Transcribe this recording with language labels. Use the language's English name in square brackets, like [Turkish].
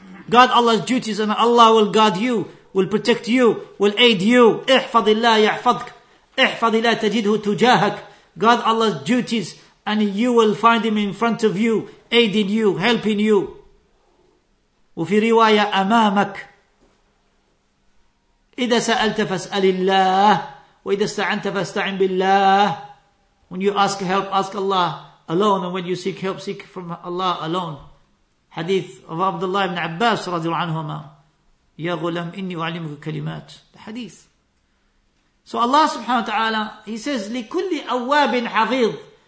[English] Guard Allah's duties and Allah will guard you, will protect you, will aid you. [Arabic] احفظ الله يحفظك. احفظي لا تجده تجاهك. [English] Guard Allah's duties and you will find him in front of you, aiding you, helping you. [Arabic] وفي رواية أمامك. إذا سألت فاسأل الله وإذا استعنت فاستعن بالله. [English] When you ask help, ask Allah alone, and when you seek help, seek from Allah alone. Hadith of Abdullah ibn Abbas رضي الله عنهما. [Arabic] يا غلام إني أعلمك كلمات. [English] The hadith. So Allah subhanahu wa ta'ala, He says, [Arabic] لِكُلِّ أَوَّابٍ حَفِيظٍ.